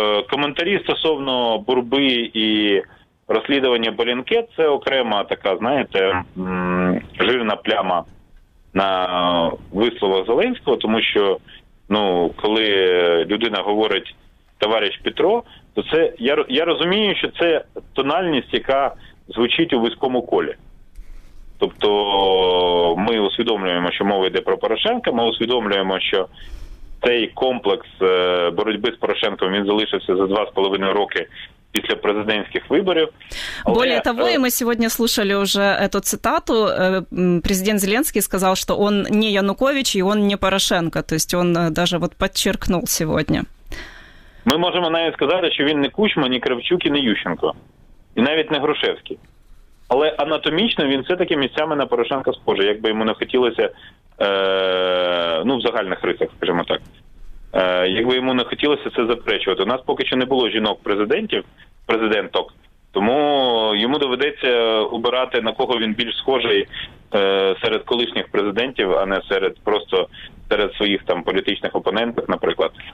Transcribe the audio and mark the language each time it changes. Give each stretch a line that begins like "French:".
Ukrainian: Коментарі стосовно боротьби і розслідування Балінке, це окрема така, знаєте, жирна пляма на висловах Зеленського, тому що, коли людина говорить товариш Петро, то це я розумію, що це тональність, яка звучить у вузькому колі. Тобто ми усвідомлюємо, що мова йде про Порошенка, ми усвідомлюємо, що цей комплекс боротьби з Порошенком, він залишився за 2.5 роки після президентських виборів.
Russian: Более того, и мы сегодня слушали уже эту цитату. Президент Зеленский сказал, что он не Янукович и он не Порошенко. То есть он даже вот подчеркнул сегодня.
Ukrainian: Ми можемо навіть сказати, що він не Кучма, ні Кравчук і не Ющенко. І навіть не Грушевський. Але анатомічно він все-таки місцями на Порошенка схожий, якби йому не хотілося, в загальних рисах, скажімо так. Якби йому не хотілося це заперечувати. У нас поки що не було жінок-президентів, президенток, тому йому доведеться обирати, на кого він більш схожий серед колишніх президентів, а не серед своїх там політичних опонентів, наприклад.